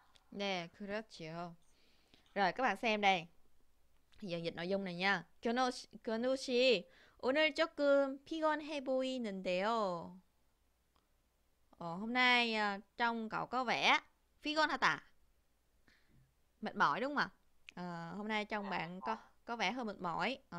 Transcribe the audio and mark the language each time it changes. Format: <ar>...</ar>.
<vi>Nè, yeah, rồi các bạn xem đây. Giờ dịch nội dung này nha.</vi> <ko>Kyono 씨, 오늘 조금 피곤해 보이는데요.</ko> <vi>Hôm nay trông cậu có vẻ figon hả ta? Mệt mỏi đúng không ạ? Hôm nay trông bạn có vẻ hơi mệt mỏi.</vi>